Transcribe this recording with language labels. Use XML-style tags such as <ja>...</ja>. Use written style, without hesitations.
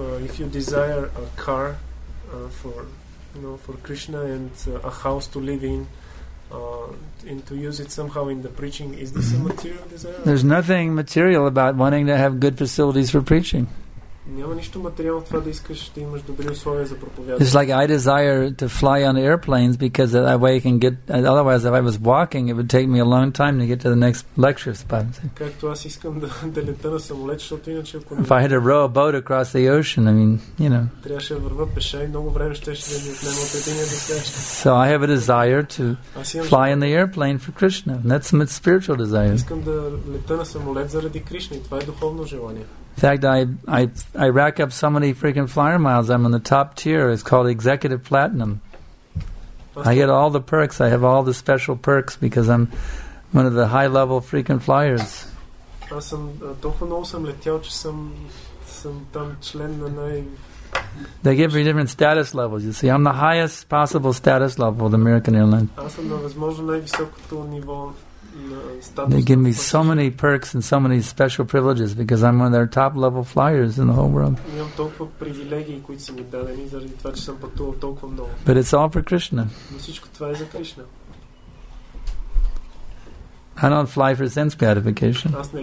<en>If you desire a car for, you know, for Krishna and a house to live in, and to use it somehow in the preaching, is this a material desire? There's nothing material about wanting to have good facilities for preaching.</en> <bg>Няма нищо материално това да искаш да имаш добри условия за проповядване.</bg> <en>It's like I desire to fly on airplanes because that way I can get. Otherwise, if I was walking, it would take me a long time to get to the next lecture spot.</en> <bg>Както аз искам да летя на самолет, защото иначе ако.</bg> <en>If I had to row a boat across the ocean, I mean, you know.</en> <bg>Трябваше да вървя пеша и много време щеше да ми отнема от един до следващ.</bg> <en>So I have a desire to fly in the airplane for Krishna. That's my spiritual desire.</en> <bg>Искам да летя на самолет заради Кришна и това е духовно желание.</bg> <en>In fact, I I rack up so many freaking flyer miles, I'm on the top tier. It's called Executive Platinum. I get all the perks. I have all the special perks because I'm one of the high-level freaking flyers.</en> <bg>Аз съм толкова много съм летял, че съм там член на най...</bg> <en>They give you different status levels. You see, I'm the highest possible status level with American Airlines.</en> <bg>Аз съм на възможно най-високото ниво на статус.</bg> <en>They give me so many perks and so many special privileges because I'm one of their top-level flyers in the whole world.</en> <bg>Имам толкова привилегии, които са ми дадени заради това, че съм пътувал толкова много.</bg> <en>But it's all for Krishna.</en> <bg>Но всичко това е за Кришна.</bg> <en>I don't fly for sense gratification.</en>